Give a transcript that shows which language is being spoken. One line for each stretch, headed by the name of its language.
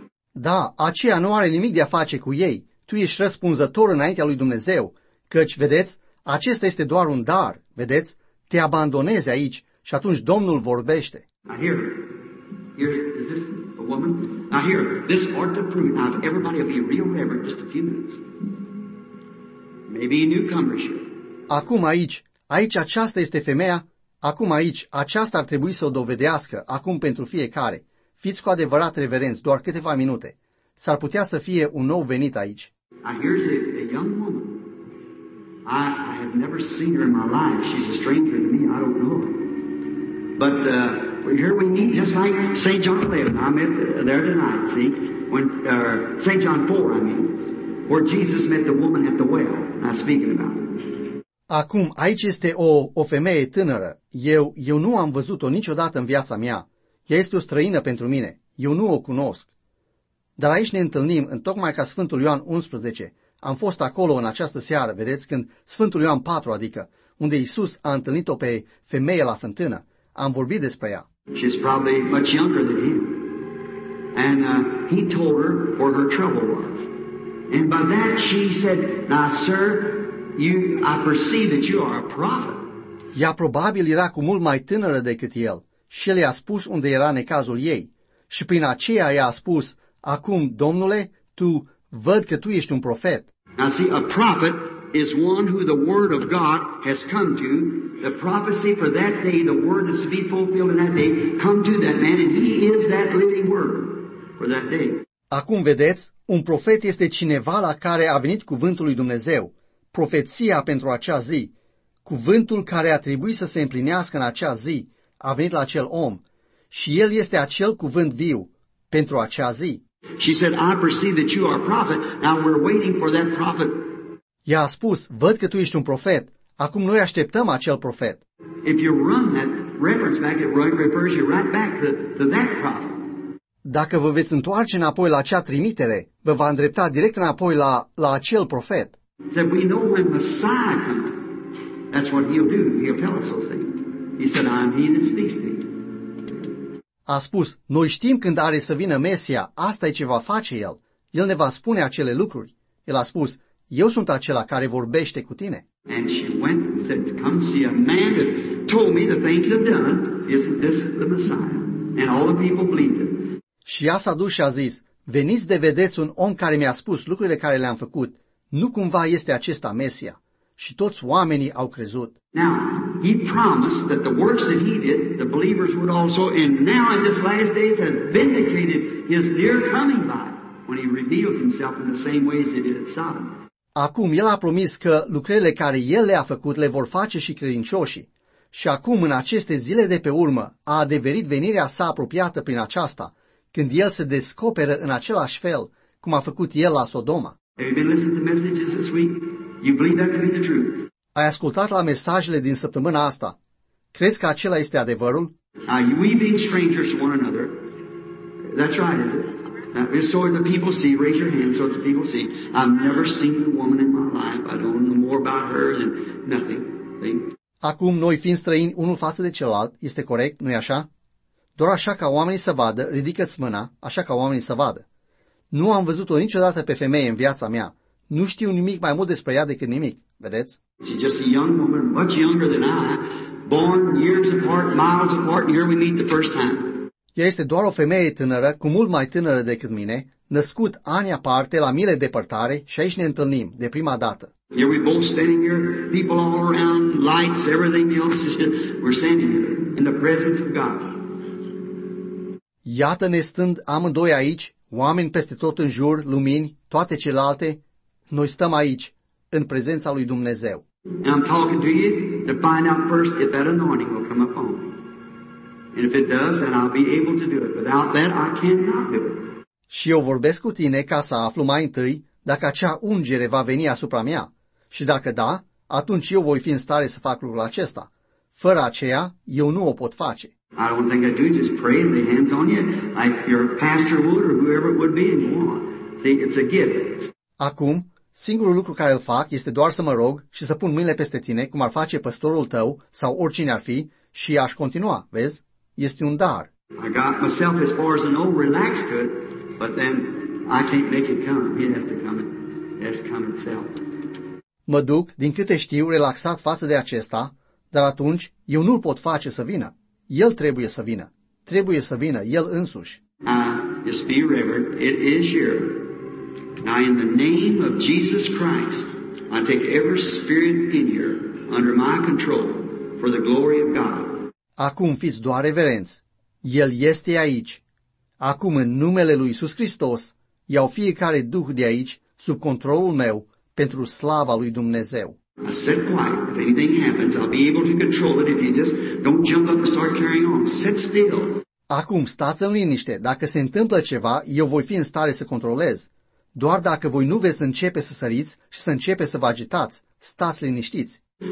Romanian: Da, aceea nu are nimic de a face cu ei. Tu ești răspunzător înaintea lui Dumnezeu, căci, vedeți, acesta este doar un dar, vedeți? Te abandonezi aici și atunci Domnul vorbește.
English: I hear her. Here's, is this a woman? I hear her. This ought to prove it. Now, everybody will be real reverent just a few minutes. Maybe a newcomer should.
Romanian: Acum aici aceasta este femeia. Acum aici, aceasta ar trebui să o dovedească, acum pentru fiecare. Fiți cu adevărat reverenți, doar câteva minute. S-ar putea să fie un nou venit aici.
English: Now, here's a young woman. I have never seen her in my life. She's a stranger to me. I don't know her. But here we meet just like St. John 11. I met there tonight, see? St. John 4, I mean. Where Jesus met the woman at the well. I'm speaking about her.
Romanian: Acum, aici este o femeie tânără. Eu nu am văzut-o niciodată în viața mea. Ea este o străină pentru mine. Eu nu o cunosc. Dar aici ne întâlnim, întocmai ca Sfântul Ioan 11... Am fost acolo în această seară, vedeți, când Sfântul Ioan 4, adică, unde Iisus a întâlnit-o pe femeie la fântână. Am vorbit despre ea.
English: She's probably much younger than him. And he told her where her trouble was. And by that she said, now sir, I perceive that you are a prophet.
Romanian: Ea probabil era cu mult mai tânără decât el. Și el i-a spus unde era necazul ei. Și prin aceea i-a spus, acum, domnule, Tu văd că tu ești un profet.
English: Now see, a prophet is one who the word of God has come to. The prophecy for that day, the word is to be fulfilled in that day, come to that man, and he is that living word for that day.
Romanian: Acum vedeți, un profet este cineva la care a venit cuvântul lui Dumnezeu, profeția pentru acea zi. Cuvântul care a trebuit să se împlinească în acea zi a venit la acel om și el este acel cuvânt viu pentru acea zi.
English: She said, I perceive that you are a prophet. Now we're waiting for that prophet.
Romanian: Ea a spus, văd că tu ești un profet. Acum noi așteptăm acel profet.
English: If you run that reference back, it refers you right back to that prophet.
Romanian: Dacă vă veți întoarce înapoi la acea trimitere, vă va îndrepta direct înapoi la acel profet.
English: Said, we know when Messiah comes. That's what he'll do. He'll tell us those things. He said, I'm he that speaks to you.
Romanian: A spus, noi știm când are să vină Mesia, asta e ce va face el. El ne va spune acele lucruri. El a spus, eu sunt acela care vorbește cu tine.
English: And she went and said, come see a man that told me the things I've done. Isn't this the Messiah? And all the people believed him.
Romanian: Și ea s-a dus și a zis, veniți de vedeți un om care mi-a spus lucrurile care le-am făcut. Nu cumva este acesta Mesia. Și toți oamenii au crezut.
English: Now, he promised that the works that he did, the believers would also, and now in this last days has vindicated his near coming by when he reveals himself in the same way as he did at Sodom.
Romanian: Acum el a promis că lucrurile care el le-a făcut le vor face și credincioșii. Și acum, în aceste zile de pe urmă, a adeverit venirea sa apropiată prin aceasta, când el se descoperă în același fel cum a făcut el la Sodoma.
English: Have you been listening to messages this week? You believe that to be the truth?
Romanian: Ai ascultat la mesajele din săptămâna asta? Crezi că acela este adevărul?
English: Now, we being strangers to one another. That's right, is it? Now, so the people see, raise your hand so the people see. I've never seen a woman in my life. I don't know more about her than nothing.
Romanian: Acum, noi fiind străini unul față de celălalt, este corect, nu-i așa? Doar așa ca oamenii să vadă, ridică-ți mâna, așa ca oamenii să vadă. Nu am văzut-o niciodată pe femeie în viața mea. Nu știu nimic mai mult despre ea decât nimic, vedeți?
English: She's just a young woman, much younger than I, born years apart, miles apart, and here we meet the first time.
Romanian: Ea este doar o femeie tânără, cu mult mai tânără decât mine, născut ani aparte, la mile depărtare, și aici ne întâlnim, de prima dată.
English: Here we both standing here, people all around, lights, everything else, we're standing here, in the presence of God.
Romanian: Iată-ne stând amândoi aici, oameni peste tot în jur, lumini, toate celelalte, noi stăm aici, în prezența lui Dumnezeu.
English: And I'm talking to you to find out first if that anointing will come upon. And if it does, then I'll be able to do it. Without that, I cannot do it.
Romanian: Și eu vorbesc cu tine ca să aflu mai întâi dacă acea ungere va veni asupra mea. Și dacă da, atunci eu voi fi în stare să fac lucrul acesta. Fără aceea, eu nu o pot face.
English: I don't think I do just pray and lay hands on you like your pastor would or whoever it would be and go on. See, it's a gift.
Romanian: Acum, singurul lucru care îl fac este doar să mă rog și să pun mâinile peste tine, cum ar face păstorul tău sau oricine ar fi, și aș continua, vezi? Este un dar.
English: I got myself as far as I know relaxed to it, but then I can't make it come. It has to come. It has to come itself.
Romanian: Mă duc, din câte știu, relaxat față de acesta, dar atunci eu nu-l pot face să vină. El trebuie să vină. Trebuie să vină, el însuși.
English: Just be reverent. It is here. Now in the name of Jesus Christ, I take every spirit in here under my control for the glory of God.
Romanian: Acum fiți doar reverenți. El este aici. Acum în numele lui Iisus Hristos, iau fiecare duh de aici sub controlul meu pentru slava lui Dumnezeu.
English: I sit quiet. If anything happens, I'll be able to control it if you just don't jump up and start carrying on. Sit still.
Romanian: Acum stați în liniște. Dacă se întâmplă ceva, eu voi fi în stare să controlez. Doar dacă voi nu veți începe să săriți și să începe să vă agitați, stați liniștiți.